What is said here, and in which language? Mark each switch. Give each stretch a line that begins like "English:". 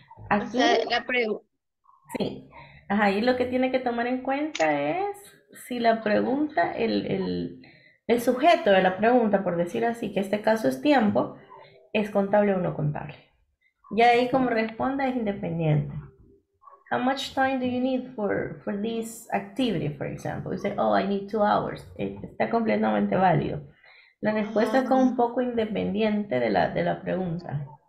Spanish: Aquí, o sea, la pregunta. Sí. Ahí lo que tiene que tomar en cuenta es si la pregunta, el sujeto de la pregunta, por decir así, que este caso es tiempo, es contable o no contable. Y ahí como responda es independiente.
English: How much time do you need for this activity, for example? You say, oh, I need 2 hours.
Spanish: Está completamente válido. La respuesta es como un poco independiente de la pregunta.